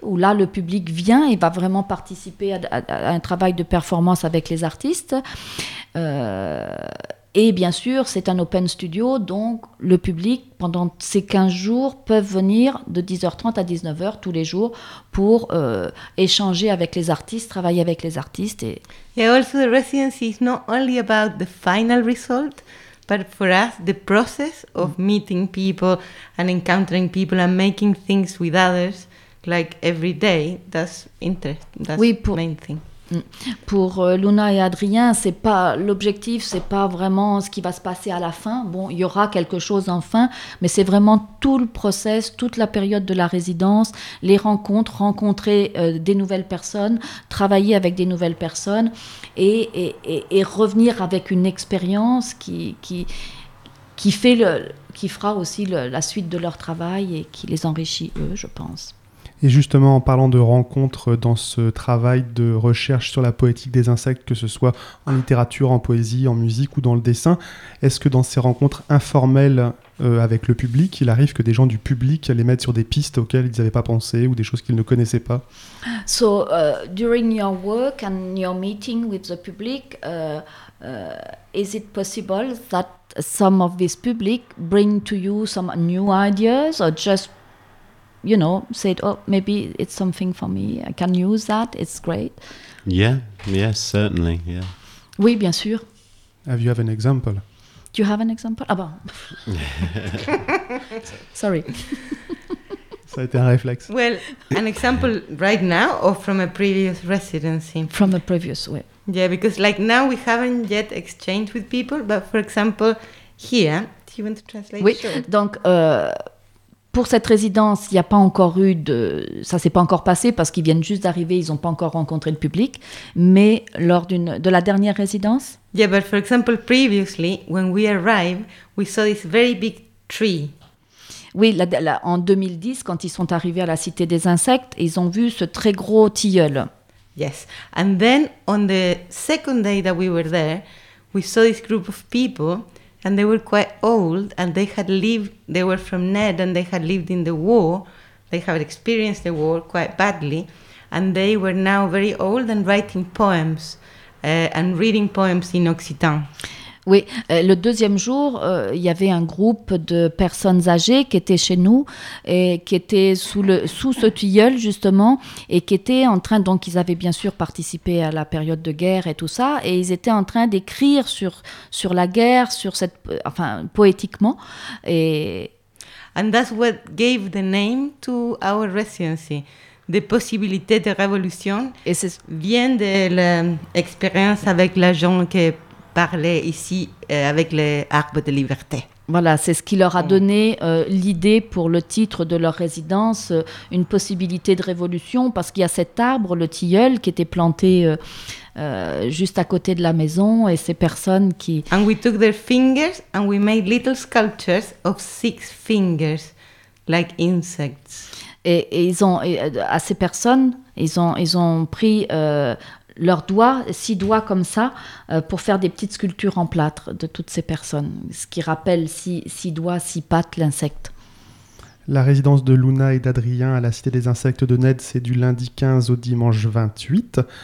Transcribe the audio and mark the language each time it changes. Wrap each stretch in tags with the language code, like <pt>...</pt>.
<fr>Où là, le public vient et va vraiment participer à un travail de performance avec les artistes. Et bien sûr, c'est un open studio, donc le public, pendant ces 15 jours, peuvent venir de 10h30 à 19h tous les jours pour échanger avec les artistes, travailler avec les artistes. Et</fr> <en>yeah, also, the residency is not only about the final result, but for us, the process of meeting people and encountering people and making things with others, like every day, that's interesting, that's</en> <fr>oui,</fr> <en>the main thing.</en> <fr>Pour Luna et Adrien, c'est pas l'objectif, c'est pas vraiment ce qui va se passer à la fin. Bon, il y aura quelque chose en fin, mais c'est vraiment tout le process, toute la période de la résidence, les rencontres, rencontrer des nouvelles personnes, travailler avec des nouvelles personnes et revenir avec une expérience qui fera aussi la suite de leur travail et qui les enrichit, eux, je pense. Et justement, en parlant de rencontres dans ce travail de recherche sur la poétique des insectes, que ce soit en littérature, en poésie, en musique ou dans le dessin, est-ce que dans ces rencontres informelles avec le public, il arrive que des gens du public les mettent sur des pistes auxquelles ils n'avaient pas pensé ou des choses qu'ils ne connaissaient pas?</fr> <en>So, during your work and your meeting with the public, is it possible that some of this public bring to you some new ideas or just, you know, said, oh, maybe it's something for me, I can use that, it's great? Yeah, yes, certainly, yeah.</en> <fr>Oui, bien sûr.</fr> <en>Have you have an example? Do you have an example?</en> <fr>Ah bon.</fr> <en>Sorry.</en> <fr>Ça a été un réflexe.</fr> <en>Well, an example right now or from a previous residency? From the previous, oui. Yeah, because like now we haven't yet exchanged with people, but for example, here, do you want to translate?</en> <fr>Oui,</fr> <en>sure.</en> <fr>Donc... pour cette résidence, il n'y a pas encore eu de... Ça ne s'est pas encore passé parce qu'ils viennent juste d'arriver, ils n'ont pas encore rencontré le public. Mais lors d'une... de la dernière résidence...</fr> <en>Yeah, but for example, previously, when we arrived, we saw this very big tree.</en> <fr>Oui, en 2010, quand ils sont arrivés à la Cité des Insectes, ils ont vu ce très gros tilleul.</fr> <en>Yes. And then, on the second day that we were there, we saw this group of people... And they were quite old, and they had lived. They were from Ned, and they had lived in the war. They had experienced the war quite badly, and they were now very old and writing poems and reading poems in Occitan.</en> <fr>Oui, le deuxième jour, il y avait un groupe de personnes âgées qui étaient chez nous et qui étaient sous ce tilleul, justement, et qui étaient en train, donc ils avaient bien sûr participé à la période de guerre et tout ça, et ils étaient en train d'écrire sur la guerre, sur cette, enfin, poétiquement. Et...</fr> <en>And that's what gave the name to our residency.</en> <fr>Des possibilités de révolution et c'est... vient de l'expérience avec l'agent qui est parler ici avec les arbres de liberté. Voilà, c'est ce qui leur a donné l'idée pour le titre de leur résidence, une possibilité de révolution, parce qu'il y a cet arbre, le tilleul, qui était planté juste à côté de la maison, et ces personnes qui...</fr> <en>And we took their fingers and we made little sculptures of six fingers, like insects.</en> <fr>Et ils ont, et, à ces personnes, ils ont pris... leurs doigts, six doigts comme ça, pour faire des petites sculptures en plâtre de toutes ces personnes, ce qui rappelle six doigts, six pattes, l'insecte. La résidence de Luna et d'Adrien à la Cité des Insectes de Ned, c'est du lundi 15 au dimanche 28.</fr>